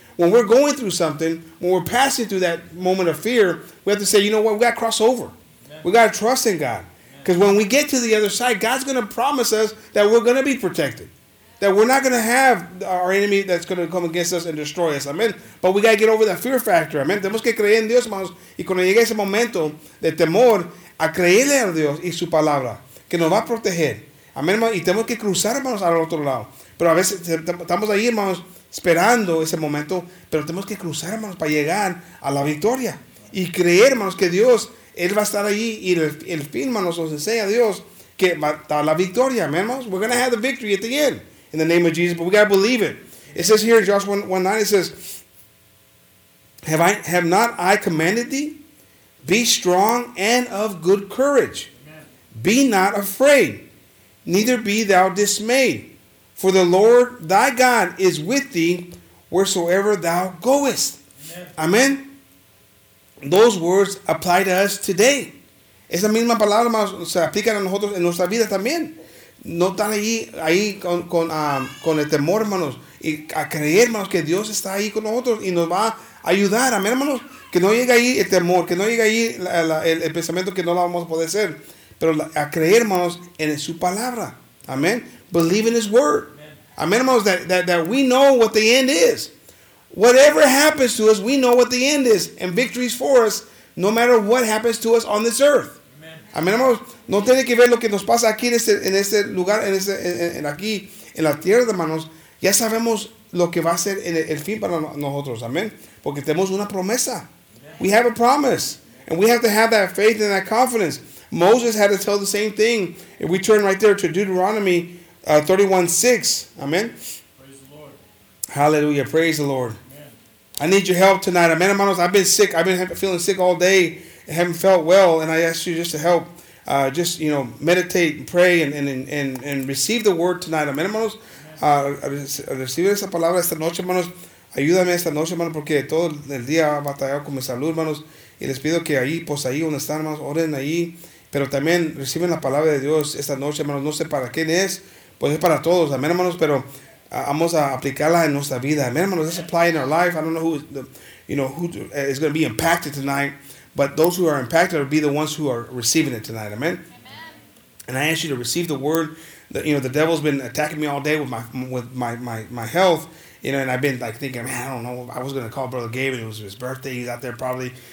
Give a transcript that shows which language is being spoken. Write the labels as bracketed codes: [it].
[en] When we're going through something, when we're passing through that moment of fear, we have to say, you know what? We got to cross over. Amen. We got to trust in God. Because when we get to the other side, God's going to promise us that we're going to be protected. That we're not going to have our enemy that's going to come against us and destroy us. Amen. But we got to get over that fear factor. [es] Amen. Tenemos que creer en Dios, hermanos. Y cuando llegue ese momento de temor, a creerle a Dios y su palabra, que nos va a proteger. Amén, hermanos. Y tenemos que cruzar, hermanos, al otro lado. Pero a veces estamos ahí, hermanos, esperando ese momento. Pero tenemos que cruzar, hermanos, para llegar a la victoria. Y creer, hermanos, que Dios, Él va a estar allí. Y el fin, hermanos, nos enseña a Dios que va a estar la victoria. Amén, hermanos. [en] We're going to have the victory at the end. In the name of Jesus, but we gotta believe it. It says here in Joshua 1:9, it says, Have not I commanded thee? Be strong and of good courage. Amen. Be not afraid, neither be thou dismayed. For the Lord thy God is with thee wheresoever thou goest. Amen. Amen. Those words apply to us today. [es] Esa misma palabra se aplica a nosotros en nuestra vida también. No están ahí con el temor, hermanos. Y a creer, hermanos, que Dios está ahí con nosotros y nos va a ayudar. Amén, hermanos. Que no llegue ahí el temor. Que no llegue ahí el pensamiento que no la vamos a poder hacer. Pero a creer, hermanos, en su palabra. Amén. [en] Believe in his word. [es] Amén, hermanos, [en] that we know what the end is. Whatever happens to us, we know what the end is. And victory is for us, no matter what happens to us on this earth. [es] Amén, hermanos. No tiene que ver lo que nos pasa aquí en este lugar, aquí en la tierra, hermanos. Ya sabemos lo que va a ser el fin para nosotros. Amén. Porque tenemos una promesa. [en] We have a promise. And we have that faith and that confidence. Moses had to tell the same thing. If we turn right there to Deuteronomy 31:6. Amén. Praise the Lord. Hallelujah. Praise the Lord. Amen. I need your help tonight. [es] Amén, hermanos. [en] I've been sick. I've been feeling sick all day. I haven't felt well. And I ask you just to help. Just, you know, meditate and pray and receive the word tonight. [es] Amen, hermanos. Recibe esa palabra esta noche, hermanos. Ayúdame esta noche, hermanos, porque todo el día he batallado con mi salud, hermanos. Y les pido que ahí, pues ahí donde están, hermanos, oren ahí. Pero también reciben la palabra de Dios esta noche, hermanos. No sé para quién es. Pues es para todos, amén, hermanos. Pero vamos a aplicarla en nuestra vida. Amen, hermanos. [en] Let's apply in our life. I don't know who is going to be impacted tonight. But those who are impacted will be the ones who are receiving it tonight. Amen. Amen. And I ask you to receive the word. That, you know, the devil's been attacking me all day with my health. You know, and I've been like thinking, man, I don't know. I was going to call Brother Gabe, and it was his birthday. He's out there probably,